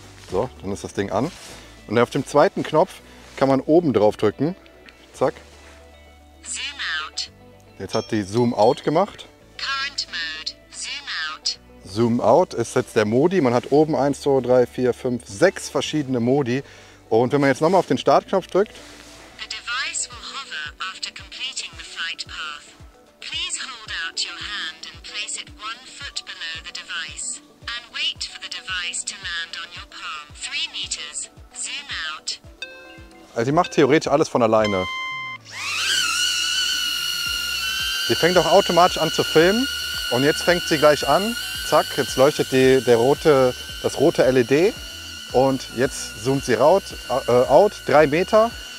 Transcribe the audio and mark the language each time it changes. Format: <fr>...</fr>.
<de>So, dann ist das Ding an. Und auf dem zweiten Knopf kann man oben drauf drücken. Zack. Zoom out. Jetzt hat die Zoom out gemacht.</de> <en>Current mode. Zoom out.</en> <de>Zoom out ist jetzt der Modi. Man hat oben 1, 2, 3, 4, 5, 6 verschiedene Modi. Und wenn man jetzt nochmal auf den Startknopf drückt.</de> <en>The device will hover after completing the flight path. Please hold out your hand and place it one foot below the device. And wait for the device to land on your palm. 3 meters. Zoom out.</en> <de>Also sie macht theoretisch alles von alleine. Sie fängt auch automatisch an zu filmen und jetzt fängt sie gleich an. Zack, jetzt leuchtet das rote LED und jetzt zoomt sie out 3 Meter.</de>